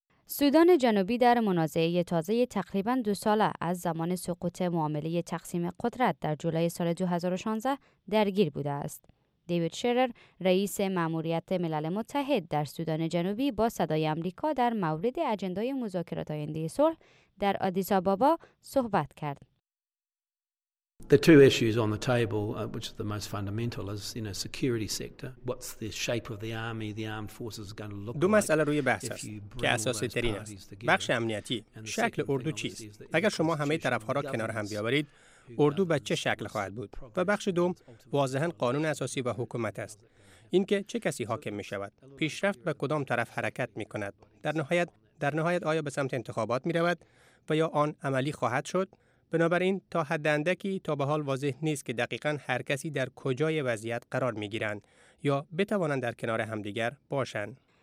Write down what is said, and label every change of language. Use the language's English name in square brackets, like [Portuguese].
[Persian] سودان جنوبی در منازعه تازه تقریبا 2 ساله از زمان سقوط معامله تقسیم قدرت در جولای سال 2016 درگیر بوده است. دیوید شرر، رئیس ماموریت ملل متحد در سودان جنوبی، با صدای آمریکا در مورد اجندای مذاکرات آینده صلح در آدیس آبابا صحبت کرد. [English] The two issues on the table, which are the most fundamental, is, you know, security sector. What's the shape of the army, the armed forces going to look like? [Persian] دو مسئله روی بحث است که اساسی ترین است. بخش امنیتی، شکل اردو چیست؟ اگر شما همه طرف‌ها را کنار هم بیاورید، اردو به چه شکل خواهد بود؟ و بخش دوم، واضحاً قانون اساسی و حکومت است. اینکه چه کسی حاکم می شود؟ پیشرفت به کدام طرف حرکت می کند؟ در نهایت آیا به سمت انتخابات می رود؟ و یا آن عملی خواهد شد؟ بنابراین تا حد اندکی تا به حال واضح نیست که دقیقاً هر کسی در کجای وضعیت قرار می گیرند یا بتوانند در کنار همدیگر باشند.